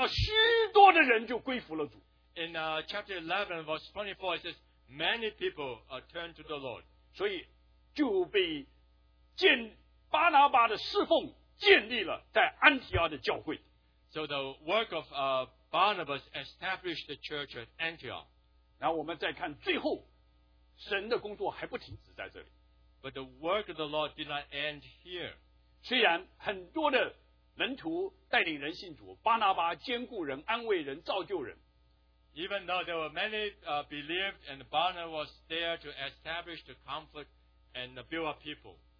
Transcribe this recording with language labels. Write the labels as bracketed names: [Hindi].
[Chinese] 在11章24节里面这边就讲到许多的人就归服了主。 [English] In chapter 11, verse 24, it says, many people are turned to the Lord. [Chinese] 所以就被巴拿巴的侍奉建立了在安提阿的教会。 [English] So the work of Barnabas established the church at Antioch. [Chinese] 然后我们再看最后,神的工作还不停止在这里。 [English] But the work of the Lord did not end here. [Chinese] 虽然很多的门徒带领人信主，巴拿巴兼顾人、安慰人、造就人。 [English] Even though there were many believed, and Barnabas was there to establish the comfort and build up people.